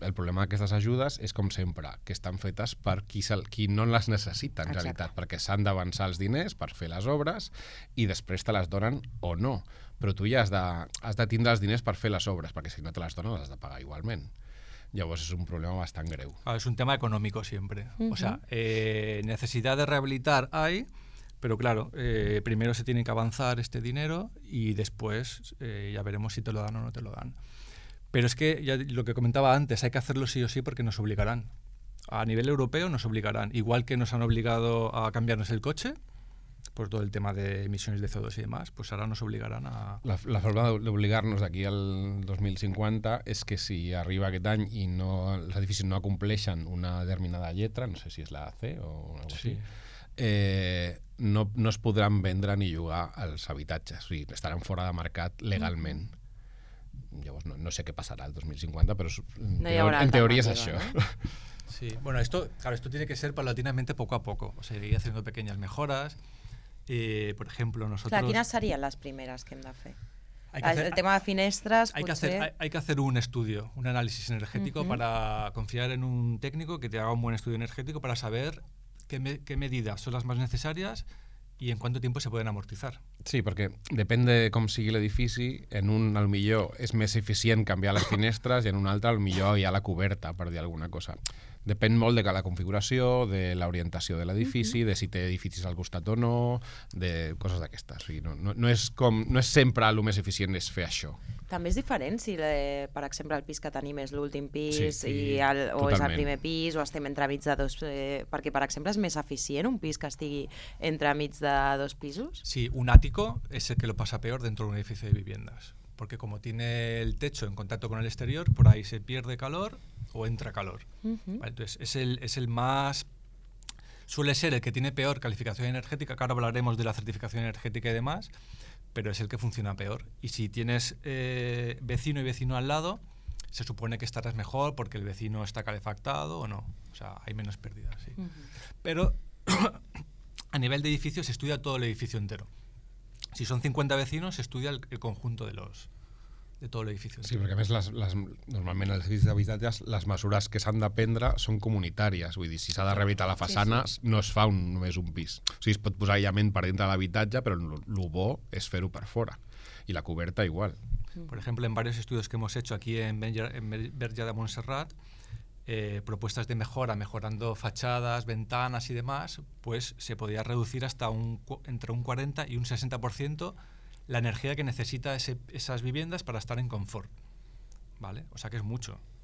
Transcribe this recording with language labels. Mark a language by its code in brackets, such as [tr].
[ca] El problema d'aquestes ajudes és, com sempre, que estan fetes per qui no les necessita, en, exacte, realitat, perquè s'han d'avançar els diners per fer les obres i després te les donen o no. Però tu ja has de tindre els diners per fer les obres, perquè si no te les donen les has de pagar igualment. Llavors és un problema bastant greu. Ah, és un tema econòmic sempre. [es] Uh-huh. O sea, necessitat de rehabilitar hay, però claro, primero se tiene que avanzar este dinero y después ya veremos si te lo dan o no te lo dan. Pero es que ya lo que comentaba antes, hay que hacerlo sí o sí porque nos obligarán. A nivel europeo nos obligarán. Igual que nos han obligado a cambiarnos el coche, pues todo el tema de emisiones de CO2 y demás, pues ahora nos obligarán a... La forma de obligarnos de aquí al 2050 es que si [ca] arriba aquest any [es] y no, los edificios no [ca] acompleixen una determinada lletra, [es] no sé si es la C o algo, sí, así, [ca] no es podran vendre ni llogar als habitatges, o sigui, estaran fora de mercat legalment. [es] Mm. [ca] Llavors no sé què passarà el 2050, però en teoria és això. [es] Sí, bueno, esto, claro, esto tiene que ser paulatinamente poco a poco, o sea, ir haciendo pequeñas mejoras. Por ejemplo, nosotros... [ca] Clar, quines serien les primeres que hem de fer? El tema de finestres, [es] hay [ca] potser... [es] Hay que hacer un estudio, un análisis energético, uh-huh, para confiar en un técnico que te haga un buen estudio energético para saber qué medidas son las más necesarias y en cuánto tiempo se pueden amortizar. Sí, porque depende de cómo sigue el edificio, en un [ca] al millor [es] es más eficiente cambiar las finestres y en un [ca] altre al millor hi ha la coberta, per dir alguna cosa. Depèn molt de la configuració, de l'orientació de l'edifici, uh-huh, de si té edificis al costat o no, de coses d'aquestes. O sigui, no és sempre el més eficient és fer això. També és diferent si, per exemple, el pis que tenim és l'últim pis, sí, sí, és el primer pis, o estem entremig de dos... perquè, per exemple, és més eficient un pis que estigui entremig de dos pisos? [es] Sí, un àtico és el que lo pasa peor dentro de un edificio de viviendas. Porque como tiene el techo en contacto con el exterior, por ahí se pierde calor o entra calor. Uh-huh. Vale, entonces, es el más... Suele ser el que tiene peor calificación energética, que ahora hablaremos de la certificación energética y demás, pero es el que funciona peor. Y si tienes vecino y vecino al lado, se supone que estarás mejor porque el vecino está calefactado o no. O sea, hay menos pérdidas, sí. Uh-huh. Pero a nivel de edificio se estudia todo el edificio entero. Si son 50 vecinos, se estudia el conjunto de todo el edificio. [ca] Sí, perquè a més, normalment els edificis d'habitatges, les mesures que s'han de prendre són comunitàries. Vull dir, si s'ha de rehabilitar la façana, sí, sí, no es fa només un pis. O sigui, es pot posar aïllament per dintre de l'habitatge, però el bo és fer-ho per fora. I la coberta igual. [es] Por ejemplo, en varios estudios que hemos hecho aquí en Verja de Montserrat, propuestas de mejora, mejorando fachadas, ventanas y demás, pues se podía reducir hasta entre un 40 y un 60% la energía que necesita esas viviendas para estar en confort. ¿Vale? O sea que es mucho.